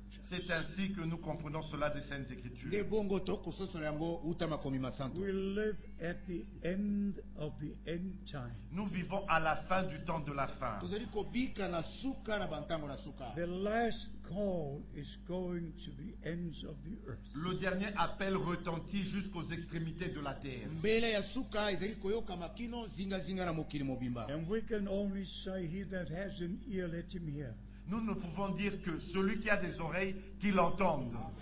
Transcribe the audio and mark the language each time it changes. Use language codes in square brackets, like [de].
[fr] C'est ainsi que nous comprenons cela des Saintes Écritures. [en] We live at the end of the end time. [fr] Nous vivons à la fin du temps de la fin. [en] The last call is going to the ends of the earth. [fr] Le dernier appel retentit jusqu'aux extrémités de la terre. [en] And we can only say, he that has an ear, let him hear. [fr] Nous ne pouvons dire que celui qui a des oreilles, qu'il entende.